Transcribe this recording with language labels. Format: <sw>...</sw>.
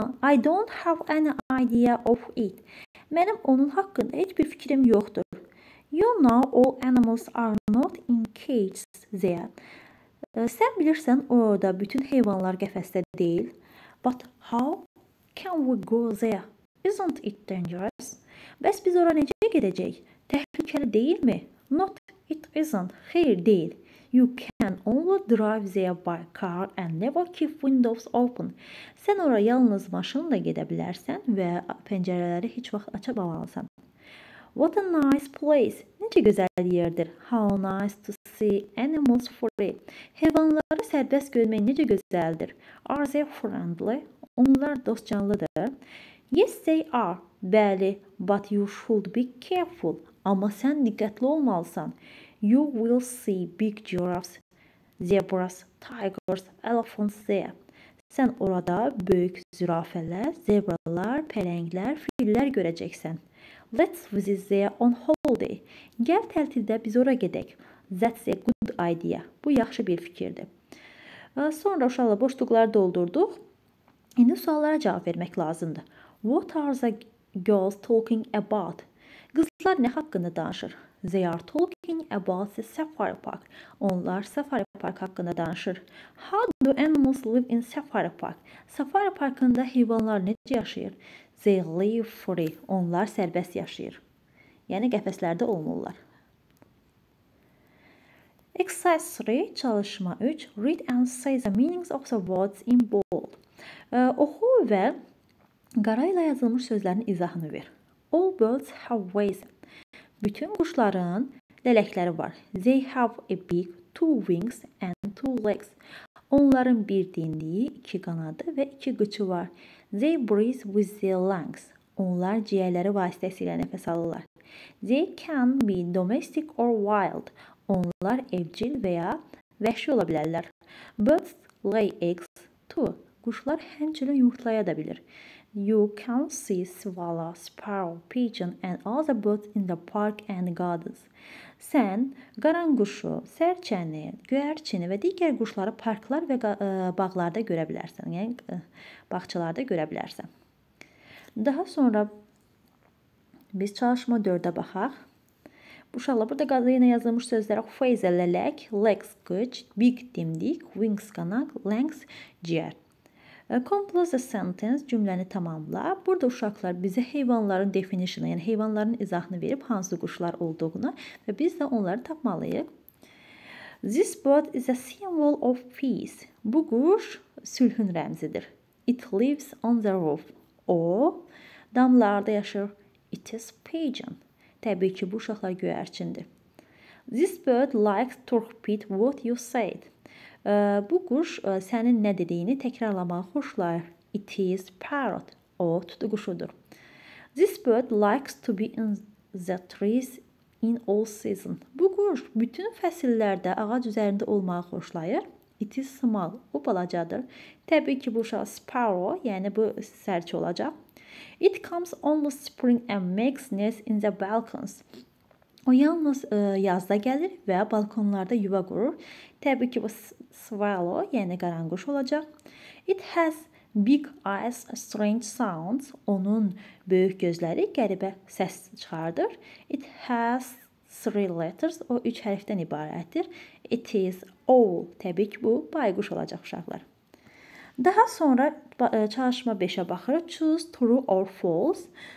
<en>I don't have any idea of it.</en> <az>Mənim onun haqqında heç bir fikrim yoxdur.</az> <en>You know all animals are not in cages there.</en> <az>Sən bilirsən, orada bütün heyvanlar qəfəsdə deyil.</az> <en>But how can we go there? Isn't it dangerous?</en> <az>Bəs biz ora necə gedəcək? Təhlükəli deyilmi?</az> <en>Not it isn't.</en> <az>Xeyr, deyil.</az> <en>You can only drive there by car and never keep windows open.</en> <az>Sən ora yalnız maşınla gedə bilərsən və pəncərələri heç vaxt aça bilməlisən.</az> <en>What a nice place.</en> <az>Necə gözəl yerdir.</az> <en>How nice to see animals free.</en> <az>Heyvanları sərbəst görmək necə gözəldir.</az> <en>Are they friendly?</en> <az>Onlar dostcanlıdır.</az> <en>Yes, they are. Bəli, but you should be careful.</en> <az>Amma sən diqqətli olmalısan.</az> <en>You will see big giraffes, zebras, tigers, elephants there.</en> <az>Sən orada böyük zürafələr, zebralar, pələnglər, fillər görəcəksən.</az> <en>Let's visit there on holiday.</en> <az>Gəl tətildə biz ora gedək.</az> <en>That's a good idea.</en> <az>Bu yaxşı bir fikirdir. Sonra uşaqla boşluqları doldurduq. İndi suallara cavab vermək lazımdır.</az> <en>What are the girls talking about?</en> <az>Qızlar nə haqqında danışır?</az> <en>They are talking about the safari park.</en> <az>Onlar safari park haqqında danışır.</az> <en>How do animals live in safari park?</en> <az>Safari parkında heyvanlar necə yaşayır?</az> <en>They live free.</en> <az>Onlar sərbəst yaşayır. Yəni qəfəslərdə olmurlar. Exercise 3, çalışma 3.</az> <en>Read and say the meanings of the words in bold.</en> <az>Oxu və qara ilə yazılmış sözlərin izahını ver.</az> <en>All birds have wings.</en> <az>Bütün quşların lələkləri var.</az> <en>They have a beak, two wings and two legs.</en> <az>Onların bir dimdiyi, iki qanadı və iki qıçı var.</az> <en>They breathe with their lungs.</en> <az>Onlar ciyərləri vasitəsilə nəfəs alırlar.</az> <en>They can be domestic or wild.</en> <az>Onlar evcil veya vəhşi ola bilərlər.</az> <en>Birds lay eggs too.</en> <az>Quşlar həmçinin yumurtlaya da bilir.</az> <en>You can see swallow, sparrow, pigeon and other birds in the park and gardens.</en> <az>Sən qaranquşu, sərçəni, göyərçini və digər quşları parklar və bağlarda görə bilərsən. Yəni, bağçalarda görə bilərsən. Daha sonra biz çalışma 4-ə baxaq. Uşaqlar, burada qadın yenə yazılmış sözlərə phrasal lack, legs, qıç, big, dimdik, wings, qanaq, length, ciyər.</az> <en>Complete the sentence,</en> <az>cümləni tamamla. Burada uşaqlar bizə heyvanların definition-ı, yəni heyvanların izahını verib, hansı quşlar olduğunu və biz də onları tapmalıyıq.</az> <en>This bird is a symbol of peace.</en> <az>Bu quş sülhün rəmzidir.</az> <en>It lives on the roof.</en> <az>O, damlarda yaşır.</az> <en>It is pigeon.</en> <az>Təbii ki, bu uşaqlar göyərçindir.</az> <en>This bird likes to repeat what you said.</en> <az>Bu quş sənin nə dediyini təkrarlamağı xoşlayır.</az> <en>It is parrot.</en> <az>O, tutuquşudur.</az> <en>This bird likes to be in the trees in all season.</en> <az>Bu quş bütün fəsillərdə ağac üzərində olmağı xoşlayır.</az> <en>It is small.</en> <az>O, balacadır. Təbii ki, bu uşaq sparrow, yəni bu sərçə olacaq.</az> <en>It comes only spring and makes nests in the balconies.</en> <az>O yalnız yazda gəlir və balkonlarda yuva qurur. Təbii ki, bu swallow, yəni qaranquş olacaq.</az> <en>It has big eyes, strange sounds.</en> <az>Onun böyük gözləri qəribə səs çıxardır.</az> <en>It has three letters.</en> <az>O, üç hərfdən ibarətdir.</az> <en>It is owl.</en> <az>Təbii ki, bu bayquş olacaq uşaqlar. Daha sonra çalışma 5-ə baxırıq.</az> <en>Choose true or false.</en>